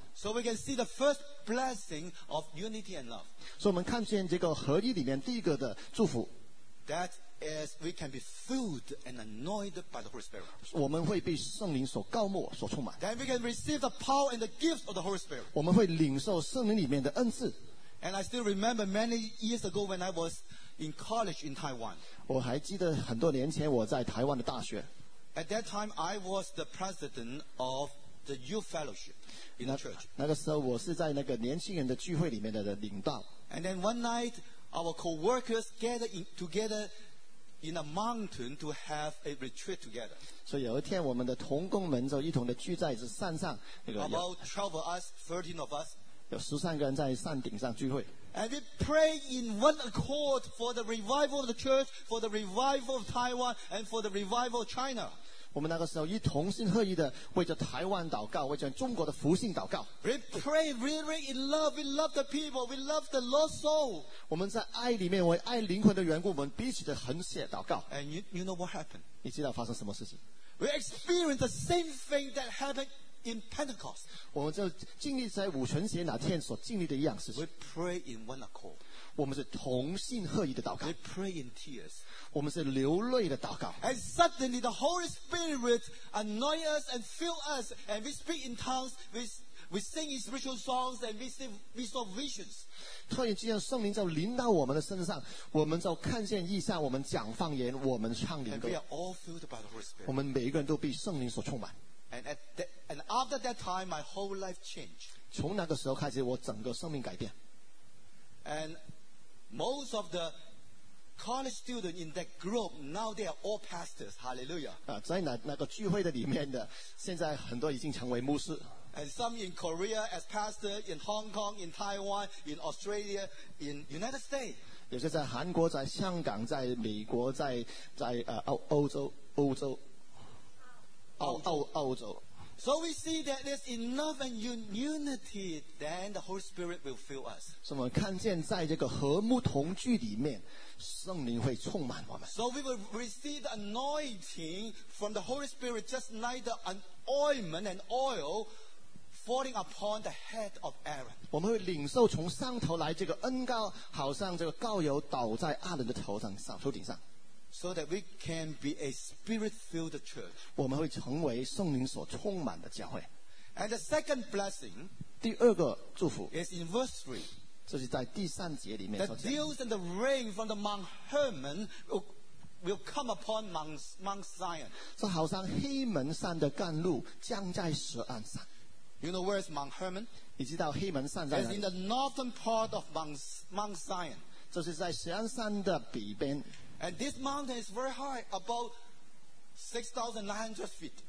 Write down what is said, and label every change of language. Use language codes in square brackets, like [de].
[en] So we can see the first blessing of unity and love. [zh] 所以我们看见这个合一里面第一个的祝福。 [en] That as we can be filled and anointed by the Holy Spirit. [zh] 我们会被圣灵所膏抹所充满。 [en] Then we can receive the power and the gifts of the Holy Spirit. [zh] 我们会领受圣灵里面的恩赐。 [en] And I still remember many years ago when I was in college in Taiwan. [zh] 我还记得很多年前我在台湾的大学。 [en] At that time, I was the president of the youth fellowship in the church. [zh] 那个时候我是在那个年轻人的聚会里面的领道。 [en] And then one night, our co-workers gathered together in a mountain to have a retreat together. [zh] 所以有一天我们的同工们就一同的聚在这山上。 [en] About 12 of us, 13 of us. [zh] 有十三个人在山顶上聚会。 [en] And we pray in one accord for the revival of the church, for the revival of Taiwan, and for the revival of China. [zh] 我们那个时候一同心合意的为着台湾祷告，为着中国的复兴祷告。 [en] We pray really in love. We love the people. We love the lost soul. [zh] 我们在爱里面，为爱灵魂的缘故，我们彼此的横切祷告。 [en] And you know what happened? [zh] 你知道发生什么事情 [en] ？We experienced the same thing that happened. In Pentecost, [zh] 我们就经历在五旬节那天所经历的一样事情。 [en] We pray in one accord. [zh] 我们是同心合意的祷告。 [en] We pray in tears. [zh] 我们是流泪的祷告。 [en] And suddenly the Holy Spirit anoint us and fill us, and we speak in tongues, we sing in spiritual songs, and we saw visions. [zh] 突然之间，圣灵就临到我们的身上，我们就看见异象，我们讲方言，我们唱灵歌。 [en] And we are all filled by the Holy Spirit. [zh] 我们每一个人都被圣灵所充满。 [en] And after that time, my whole life changed. [zh] 从那个时候开始，我整个生命改变。 [en] And most of the college students in that group now they are all pastors. Hallelujah. [zh] 在那个聚会的里面的，现在很多已经成为牧师。 [en] And some in Korea as pastor, in Hong Kong, in Taiwan, in Australia, in United States. [zh] 有些在韩国，在香港，在美国，在欧洲。澳洲 [en] So we see that there's enough and unity, then the Holy Spirit will fill us. [zh] 我们看见在这个和睦同聚里面，圣灵会充满我们。 [en] So we will receive the anointing from the Holy Spirit, just like the ointment and oil falling upon the head of Aaron. [zh] 我们会领受从上头来这个恩膏，好像这个膏油倒在亚伦的头顶上。 [en] So that we can be a spirit-filled church. [zh] 我们会成为圣灵所充满的教会。 [en] And the second blessing, [zh] 第二个祝福 [en] is in verse 3. [zh] 这是在第三节里面所讲的。 [en] The dews and the rain from the Mount Hermon will come upon Mount Zion. [zh] 这好像黑门山的甘露降在石岸上。 [en] You know where is Mount Hermon? [zh] 你知道黑门山在哪里？ [en] It's in the northern part of Mount Zion. [zh] 这是在石岸山的北边。 [en] And this mountain is very high, about 6,900 feet.